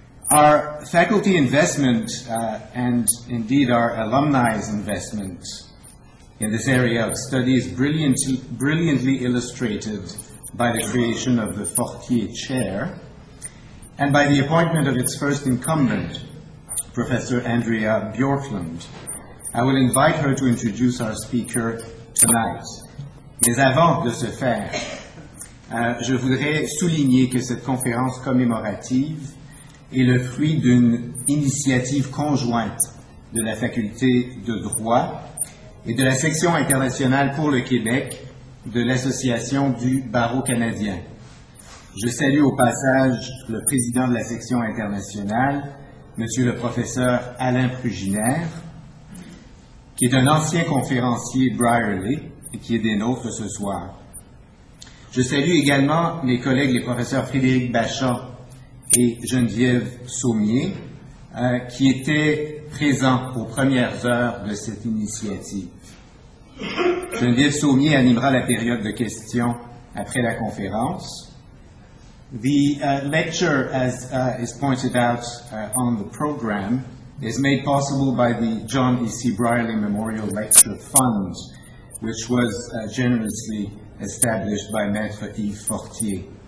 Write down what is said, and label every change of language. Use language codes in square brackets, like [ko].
[en] Our faculty investment, and indeed our alumni's investment in this area of study is brilliantly illustrated by the creation of the Fortier Chair and by the appointment of its first incumbent, Professor Andrea Bjorklund. I will invite her to introduce our speaker tonight. [fr] Mais avant de ce faire, je voudrais souligner que cette conférence commémorative est le fruit d'une initiative conjointe de la Faculté de droit et de la section internationale pour le Québec de l'Association du barreau canadien. Je salue au passage le président de la section internationale, M. le professeur Alain Pruginaire, qui est un ancien conférencier Brierley et qui est des nôtres ce soir. Je salue également mes collègues, les professeurs Frédéric Bachand et Geneviève Saumier, qui étaient présents aux premières heures de cette initiative. Geneviève Saumier animera la période de questions après la conférence. [en] The lecture, as is pointed out on the program, is made possible by the John E. C. Brierley Memorial Lecture Fund, which was generously established by Maître Yves Fortier.